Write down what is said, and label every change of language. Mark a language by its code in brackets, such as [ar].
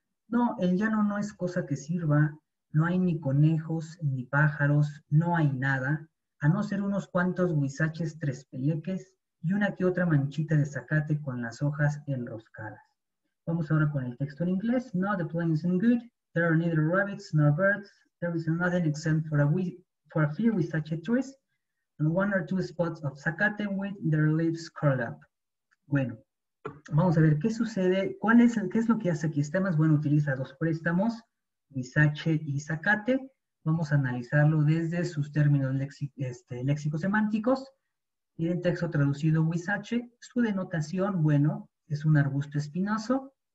[es] No, el llano no es cosa que sirva, no hay ni conejos, ni pájaros, no hay nada, a no ser unos cuantos huizaches tres peleques y una que otra manchita de zacate con las hojas enroscadas. Vamos ahora con el texto en inglés. [en] No, the plain isn't good. There are neither rabbits nor birds. There is nothing except for a few huizache trees and one or two spots of zacate with their leaves curled up. [es] Bueno, vamos a ver qué sucede. ¿Qué es lo que hace aquí? Está más bueno, utiliza dos préstamos, huizache y zacate. Vamos a analizarlo desde sus términos léxico-semánticos. Y en texto traducido, huizache, su denotación, bueno, es un arbusto espinoso.